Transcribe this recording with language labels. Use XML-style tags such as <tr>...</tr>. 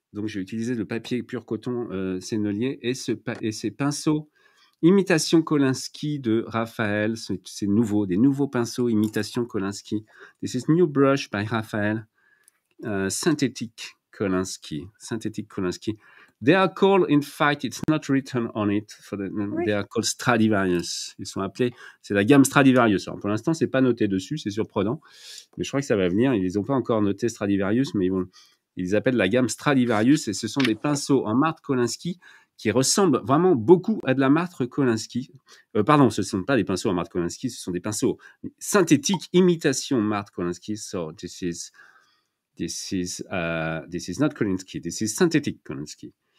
<fr>Donc, j'ai utilisé le papier pur coton Sennelier et ces pinceaux imitation Kolinsky de Raphaël. C'est nouveau, des nouveaux pinceaux imitation Kolinsky.</fr> <en>This is new brush by Raphaël. Synthetic Kolinsky. Synthetic Kolinsky. They are called, in fact, it's not written on it. They are called Stradivarius.</en> <fr>Ils sont appelés, c'est la gamme Stradivarius. Alors, pour l'instant, ce n'est pas noté dessus, c'est surprenant. Mais je crois que ça va venir. Ils ne les ont pas encore notés Stradivarius, mais ils appellent la gamme Stradivarius. Et ce sont des pinceaux en marte Kolinsky qui ressemblent vraiment beaucoup à de la marte Kolinsky. Pardon, ce ne sont pas des pinceaux en marte Kolinsky, ce sont des pinceaux synthétiques imitation marte Kolinsky.</fr> <en>So this is not Kolinsky, this is synthetic Kolinsky.</en>